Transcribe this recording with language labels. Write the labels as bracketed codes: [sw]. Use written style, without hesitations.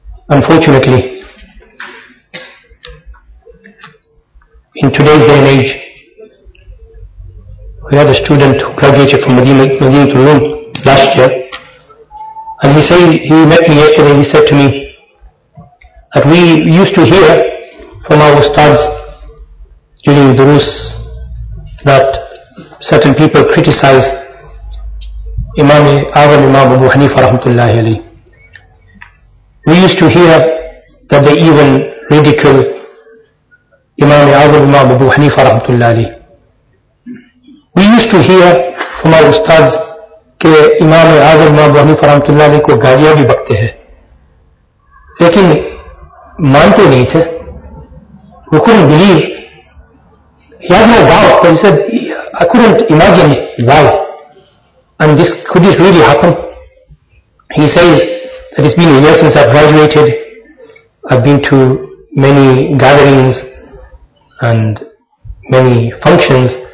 [en] Unfortunately, in today's day and age, we had a student who graduated from Madinah to Rome last year, and he met me yesterday, and he said to me that we used to hear from our ustads during Durus that certain people criticize Imam Azam Imam Abu Hanifa rahmatullahi alayhi. We used to hear that they even ridicule Imam Azam Imam Abu Hanifa rahmatullahi alayhi. We used to hear from our ustads [ur] کہ امام اعظم امام ابو حنیفہ رحمۃ اللہ علیہ کو گالیاں بھی بکتے ہے۔ لیکن مانتے نہیں تھے۔ [en] We couldn't believe. He had no doubt, but he said, I couldn't imagine why. And this, could this really happen? He says that it's been a year since I've graduated. I've been to many gatherings and many functions.